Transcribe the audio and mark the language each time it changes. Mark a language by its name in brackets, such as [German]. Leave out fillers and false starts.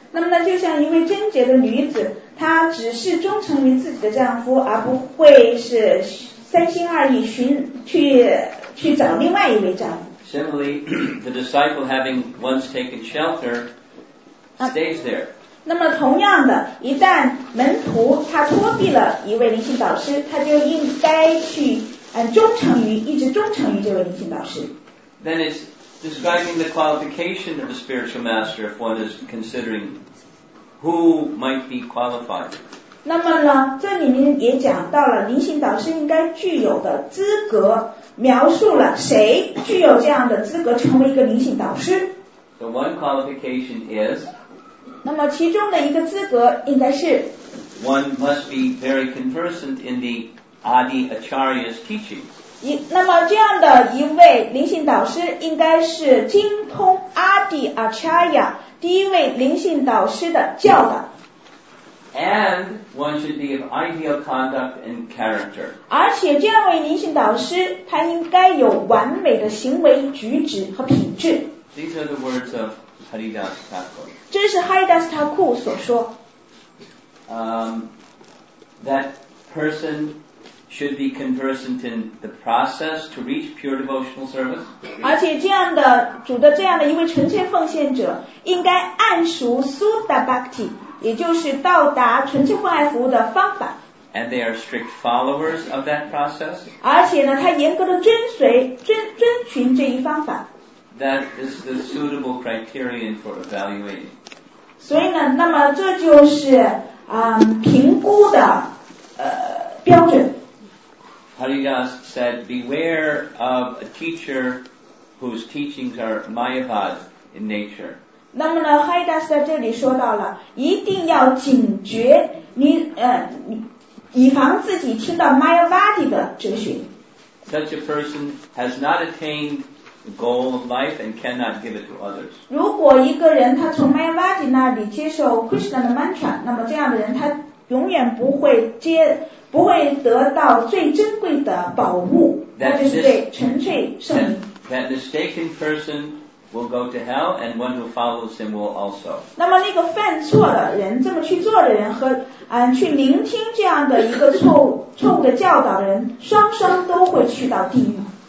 [Chinese] 那么呢，就像一位贞洁的女子，她只是忠诚于自己的丈夫，而不会是三心二意去找另外一位丈夫。 [English] Similarly, the disciple having once taken shelter stays there. [Chinese] 那么同样的，一旦门徒他脱避了一位灵性导师，他就应该去忠诚于一直忠诚于这位灵性导师。 [English] Then it'sDescribing the qualification of a spiritual master if one is considering who might be qualified. [Chinese] 那么呢，这里面也讲到了灵性导师应该具有的资格，描述了谁具有这样的资格成为一个灵性导师。 [English] The one qualification is. [Chinese] 那么其中的一个资格应该是。 [English] One must be very conversant in the Adi Acharya's teachings. [Chinese] 那么这样的一位灵性导师应该是精通阿底阿查亚第一位灵性导师的教导。 [English] And one should be of ideal conduct and character. [Chinese] 而且这样位灵性导师他应该有完美的行为举止和品质。 [English] These are the words of Haridas Thakur. [Chinese] 这是 Haridas Thakur 所说。 [English] That personshould be conversant in the process to reach pure devotional service. [Chinese] 而且这样的主的这样的一位纯粹奉献者应该谙熟 Sudha Bhakti, 也就是到达纯粹奉爱服务的方法。 [English] And they are strict followers of that process. [Chinese] 而且呢他严格的遵循这一方法。 [English] That is the suitable criterion for evaluating. [Chinese] 所以呢那么这就是评估的标准。 [English] Haridas said, beware of a teacher whose teachings are Mayavad in nature. [Chinese] 那么呢 Haridas 在这里说到了一定要警觉你以防自己听到 Mayavadi 的哲学。 [English] Such a person has not attained the goal of life and cannot give it to others. [Chinese] 如果一个人他从 Mayavadi 那里接受 Krishna 的 mantra, 那么这样的人他永远不会接不会得到最珍贵的宝物，那就是对纯粹圣名。 [English] That mistaken person will go to hell, and one who follows him will also. [Chinese] 那么那个犯错的人，这么去做的人和去聆听这样的一个错误的教导的人，双双都会去到地狱。